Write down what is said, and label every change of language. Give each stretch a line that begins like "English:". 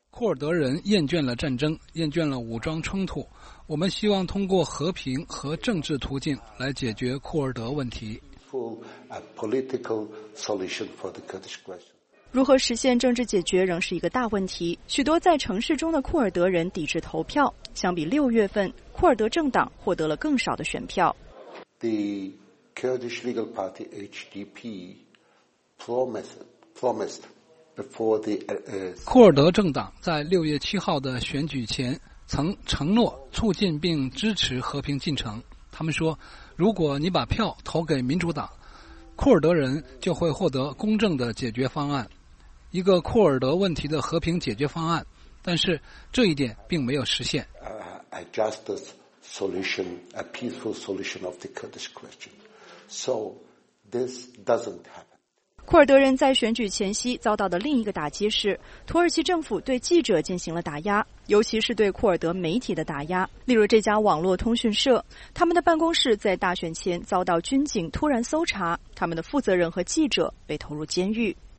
Chinese: 库尔德人厌倦了战争，厌倦了武装冲突，我们希望通过和平和政治途径来解决库尔德问题。
English: A political solution for the Kurdish question.
Chinese: 如何实现政治解决仍是一个大问题。许多在城市中的库尔德人抵制投票，相比6月份，库尔德政党获得了更少的选票。
English: The Kurdish Legal Party HDP promised before the
Chinese: 库尔德政党在6月7号的选举前曾承诺促进并支持和平进程。他们说，如果你把票投给民主党，库尔德人就会获得公正的解决方案，一个库尔德问题的和平解决方案，但是这一点并没有实现。
English: A justice solution, a peaceful solution of the Kurdish question. So this doesn't happen.
Chinese: 库尔德人在选举前夕遭到的另一个打击是，土耳其政府对记者进行了打压，尤其是对库尔德媒体的打压。例如这家网络通讯社，他们的办公室在大选前遭到军警突然搜查，他们的负责人和记者被投入监狱。